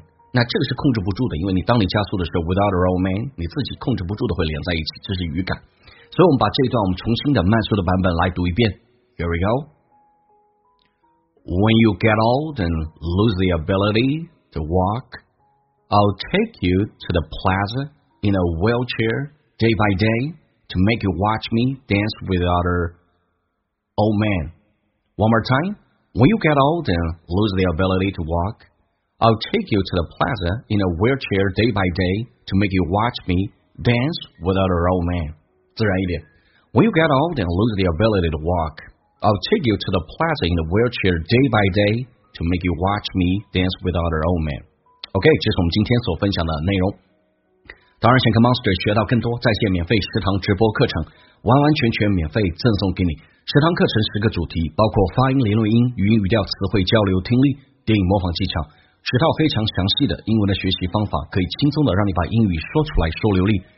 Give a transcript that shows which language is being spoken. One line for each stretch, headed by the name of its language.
Chinese: 那这个是控制不住的，因为你当你加速的时候 without a roman 你自己控制不住的会连在一起，这是语感。所以我们把这一段我们重新的慢速的版本来读一遍。
English: Here we go。 When you get old and lose the ability to walk, I'll take you to the plaza in a wheelchair day by day to make you watch me dance with other old men. One more time. When you get old and lose the ability to walk,I'll take you to the plaza in a wheelchair day by day to make you watch me dance with other old men.
Chinese: 自然一点。
English: When you get old and lose the ability to walk, I'll take you to the plaza in a wheelchair day by day to make you watch me dance with other old men.
Chinese: OK, 这是我们今天所分享的内容。当然想跟 Monster 学到更多在线免费食堂直播课程，完完全全免费赠送给你。食堂课程十个主题，包括发音、连录音、语音语调、词汇交流、听力、电影模仿技巧，十套非常详细的英文的学习方法，可以轻松的让你把英语说出来说流利。